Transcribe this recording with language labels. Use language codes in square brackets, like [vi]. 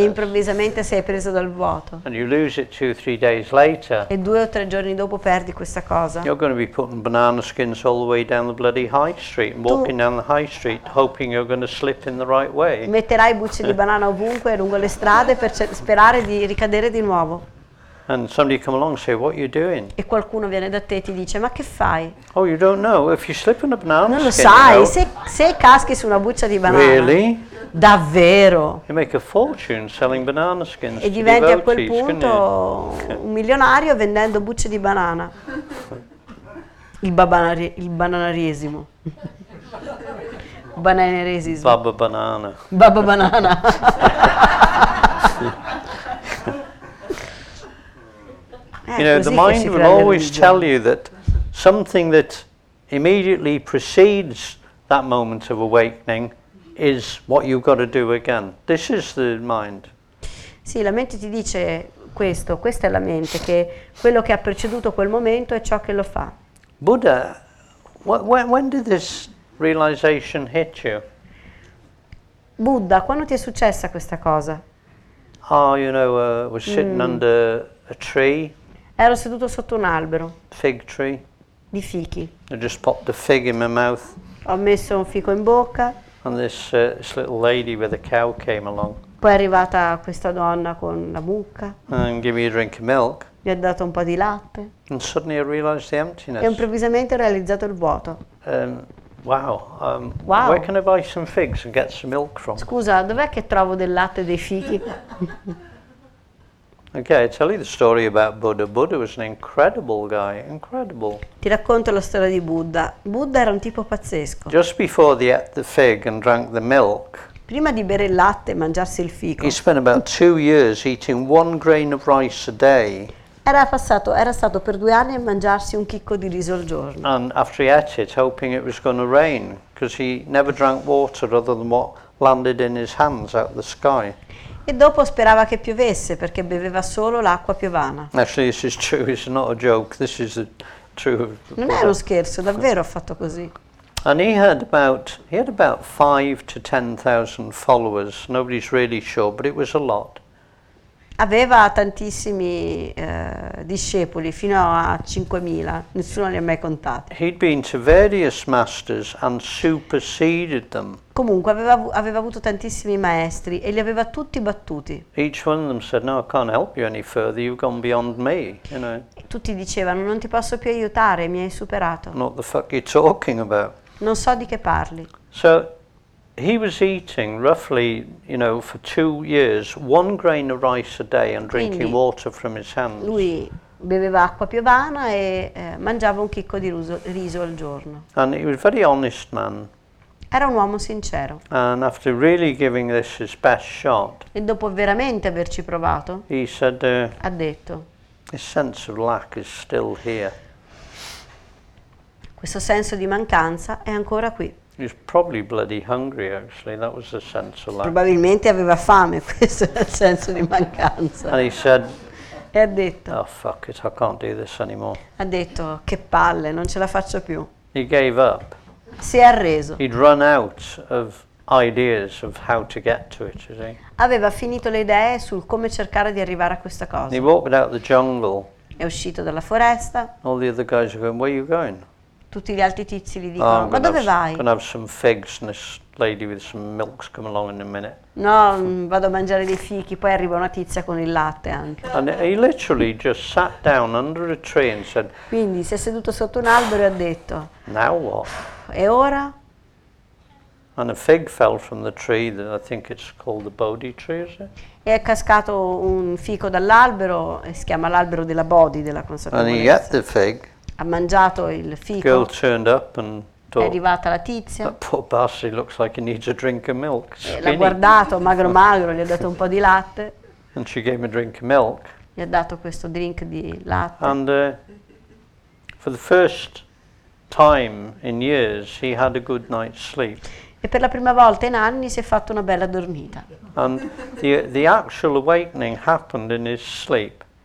[it] E improvvisamente sei preso dal vuoto. [en] And you lose it 2-3 days later. [it] E 2 o 3 giorni dopo perdi questa cosa. [en] You're going to be putting banana skins all the way down the bloody high street, and walking down the high street, hoping you're going to slip in the right way. [it] Metterai bucce di banana ovunque lungo le strade per sperare di ricadere di nuovo. [en] And somebody come along and say, "What are you doing?" [it] E qualcuno viene da te e ti dice, "Ma che fai?" [en] Oh, you don't know. If you slip on a banana skin, [it] non lo sai. Se caschi su una buccia di banana, [en] really? [it] Davvero? [en] You make a fortune selling banana skins. [it] E diventi a quel punto un milionario vendendo bucce di banana. Il bananarismo. Bananarismo. Baba banana. Baba banana. [en] You know, the mind will always tell you that something that immediately precedes that moment of awakening is what you've got to do again. This is the mind. [it] Sì, la mente ti dice questo, questa è la mente, che quello che ha preceduto quel momento è ciò che lo fa. [en] Buddha, when did this realization hit you? [it] Buddha, quando ti è successa questa cosa? [en] Oh, you know, was sitting under a tree. [it] Ero seduto sotto un albero. [en] Fig tree. [it] Di fichi. [en] I just popped a fig in my mouth. [it] Ho messo un fico in bocca. [en] And this little lady with a cow came along. [it] Poi è arrivata questa donna con la mucca. [en] And gave me a drink of milk. [it] Mi ha dato un po' di latte. [en] And suddenly I realized the emptiness. [it] E improvvisamente ho realizzato il vuoto. [en] Wow. Where can I buy some figs and get some milk from? [it] Scusa, dov'è che trovo del latte dei fichi? [en] Okay, I tell you the story about Buddha. Buddha was an incredible guy, incredible. [it] Ti racconto la storia di Buddha. Buddha era un tipo pazzesco. [en] Just before they ate the fig and drank the milk. [it] Prima di bere il latte e mangiarsi il fico. [en] He spent about 2 years eating one grain of rice a day. [it] Era stato per 2 anni a mangiarsi un chicco di riso al giorno. [en] And after he ate it, hoping it was going to rain, because he never drank water other than what landed in his hands out of the sky. [it] E dopo sperava che piovesse perché beveva solo l'acqua piovana. [en] Actually, this is true. It's not a joke. This is the truth. [it] Non è uno scherzo, davvero ha fatto così. [en] And he had about 5,000 to 10,000 followers. Nobody's really sure, but it was a lot. [it] Aveva tantissimi discepoli, fino a 5,000. Nessuno li ha mai contati. [en] He'd been to various masters and superseded them. [it] Comunque aveva avuto tantissimi maestri e li aveva tutti battuti. [en] Each one of them said, "No, I can't help you any further. You've gone beyond me." You know. [it] Tutti dicevano, "Non ti posso più aiutare. Mi hai superato." [en] "What the fuck are you talking about?" [it] Non so di che parli. [en] So he was eating roughly, you know, for 2 years, one grain of rice a day and drinking. [it] Quindi, [en] water from his hands. [it] Lui beveva acqua piovana e mangiava un chicco di riso al giorno. [en] And he was a very honest man. [it] Era un uomo sincero. [en] And after really giving this his best shot, [it] e dopo veramente averci provato, [en] he said, [it] ha detto, [en] "His sense of lack is still here." [it] Questo senso di mancanza è ancora qui. [en] He's probably bloody hungry, actually. That was the sense of lack. [it] Probabilmente aveva fame, questo è il senso di mancanza. [en] And he said, [it] e ha detto, [en] "Oh fuck it, I can't do this anymore." [it] Ha detto, "Che palle, non ce la faccio più." [en] He gave up. [it] Si è arreso. [en] He'd run out of ideas of how to get to it, you see. [it] Aveva finito le idee sul come cercare di arrivare a questa cosa. [en] He walked out the jungle. [it] È uscito dalla foresta. [en] All the other guys are going, "Where are you going?" [it] Tutti gli altri tizi gli dicono, "Ma dove vai?" [en] "Gonna have some figs, and this lady with some milk's come along in a minute." [it] No, vado a mangiare dei fichi, poi arriva una tizia con il latte anche. [en] And he literally just sat down under a tree and said. [it] Quindi si è seduto sotto un albero e ha detto. [en] Now what? [it] E ora? [en] And a fig fell from the tree that I think it's called the Bodhi tree, is it? [it] E è cascato un fico dall'albero e si chiama l'albero della Bodhi, della consapevolezza. [en] And he ate the fig. [it] Ha mangiato il fico. [en] Girl turned up and talked. [it] È arrivata la tizia. [en] That poor bastard looks like he needs a drink of milk. [it] L'ha guardato magro magro, gli ha dato un po' di latte. [en] And she gave him a drink of milk. [it] Gli ha dato questo drink di latte. [en] And for the first time in years he had a good night's sleep. [it] E per la prima volta in anni si è fatto una bella dormita. [en] And the actual awakening happened in his sleep.